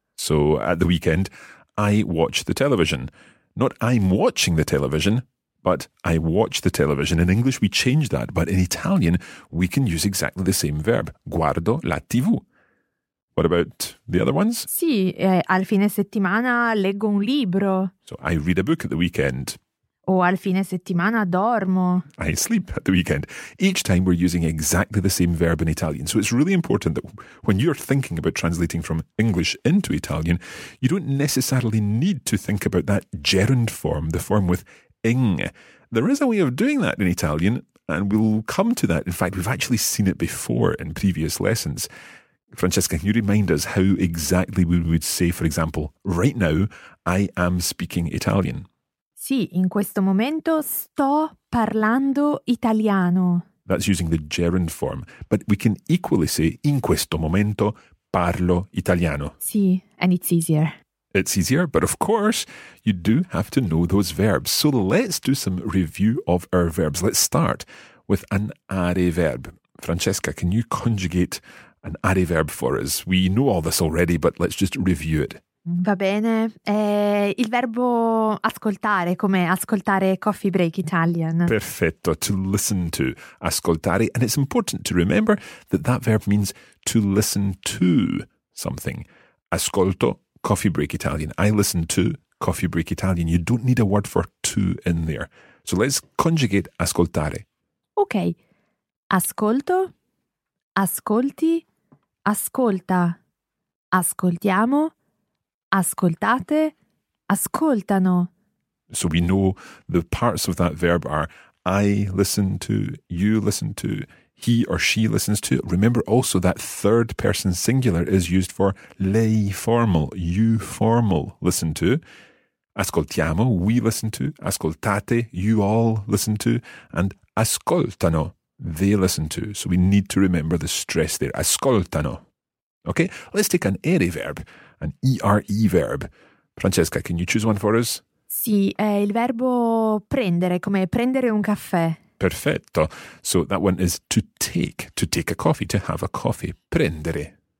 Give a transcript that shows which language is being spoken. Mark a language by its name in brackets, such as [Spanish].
[English] So at the weekend, I watch the television. Not I'm watching the television, but I watch the television. In English, we change that, but in Italian, we can use exactly the same verb, [Italian] guardo la TV. [English] What about the other ones? [Italian] Sì, al fine settimana leggo un libro. [English] So I read a book at the weekend. [Italian] O al fine settimana dormo. [English] I sleep at the weekend. Each time we're using exactly the same verb in Italian. So it's really important that when you're thinking about translating from English into Italian, you don't necessarily need to think about that gerund form, the form with ing. There is a way of doing that in Italian, and we'll come to that. In fact, we've actually seen it before in previous lessons. Francesca, can you remind us how exactly we would say, for example, right now, I am speaking Italian? [Italian] Sì, in questo momento sto parlando italiano. [English] That's using the gerund form. But we can equally say, [Italian] in questo momento parlo italiano. [English] Sì, and it's easier. It's easier, but of course, you do have to know those verbs. So let's do some review of our verbs. Let's start with an are verb. Francesca, can you conjugate an are verb for us? We know all this already, but let's just review it. [Italian] Va bene. Il verbo ascoltare, come ascoltare Coffee Break Italian. [English] Perfetto, to listen to, ascoltare. And it's important to remember that that verb means to listen to something. Ascolto Coffee Break Italian. I listen to Coffee Break Italian. You don't need a word for to in there. So let's conjugate ascoltare. Okay. [Italian] Ascolto, ascolti, ascolta, ascoltiamo, ascoltate, ascoltano. [English] So we know the parts of that verb are I listen to, you listen to, he or she listens to. Remember also that third person singular is used for lei formal, you formal listen to. Ascoltiamo, we listen to, ascoltate, you all listen to, and ascoltano, they listen to. So we need to remember the stress there, ascoltano. Okay, let's take an ere verb, an ere verb. Francesca, can you choose one for us? [Italian] Sì, è il verbo prendere, come prendere un caffè. Perfetto. [English] So that one is to take a coffee, to have a coffee, prendere.